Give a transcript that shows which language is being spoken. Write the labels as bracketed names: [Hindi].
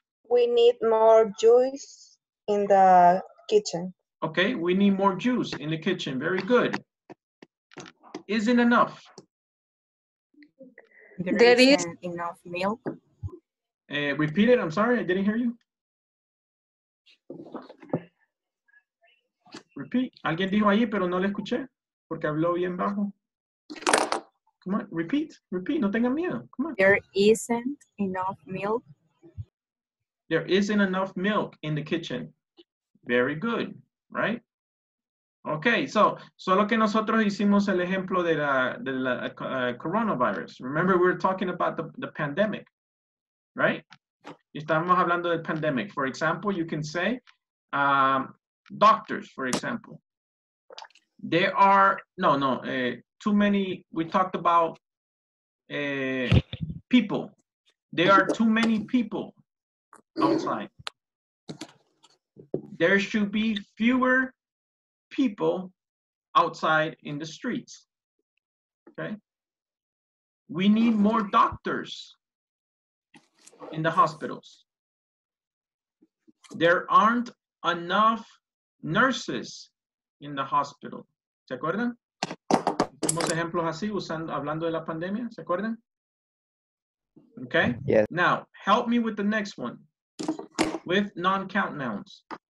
[English] We need more juice in the kitchen. Okay, we need more juice in the kitchen. Very good. Isn't enough? There is enough milk. Repeat it. I'm sorry, I didn't hear you. Repeat. [Spanish] Alguien dijo ahí, pero no le escuché porque habló bien bajo. [English] Come on, repeat. Repeat. [Spanish] No tengan miedo. [English] Come on. There isn't enough milk. There isn't enough milk in the kitchen. Very good, right? [Spanish] Okay, so solo que nosotros hicimos el ejemplo de la coronavirus. [English] Remember, we were talking about the pandemic, right? [Spanish] Estamos hablando del [English] pandemic. For example, you can say doctors, for example. There are, too many, we talked about people. There are too many people outside. There should be fewer people outside in the streets. Okay. We need more doctors in the hospitals. There aren't enough nurses in the hospital. [Spanish] ¿Se acuerdan? Tenemos ejemplos así usando hablando de la pandemia. ¿Se acuerdan? Okay. [English] Yes. Now help me with the next one with non-count nouns.